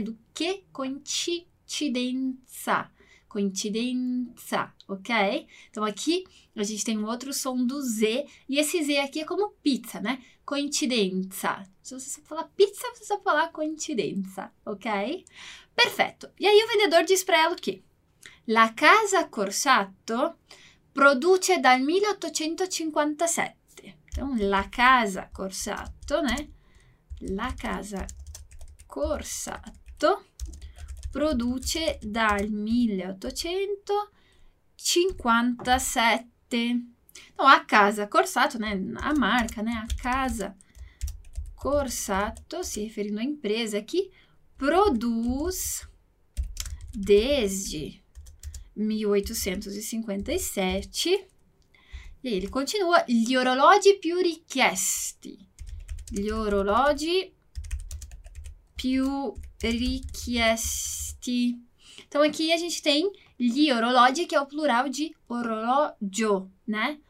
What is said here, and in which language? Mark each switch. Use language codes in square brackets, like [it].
[pt] Do que coincidência. Coincidenza, ok? Então aqui a gente tem um outro som do Z, e esse Z aqui é como pizza, né? Coincidenza. Se você só falar pizza, você só falar coincidenza, ok? Perfeito. E aí o vendedor diz para ela o quê? [it] La casa Corsato produce dal 1857. Então, la casa Corsato, né? La casa Corsato produce dal 1857. [pt] Então, a casa Corsato, né? A marca, né? A casa Corsato, se referindo à empresa aqui, produz desde 1857. E ele continua: [it] gli orologi più richiesti. Gli orologi più richiesti. [pt] Então, aqui a gente tem gli orologi, que é o plural de orologio, né?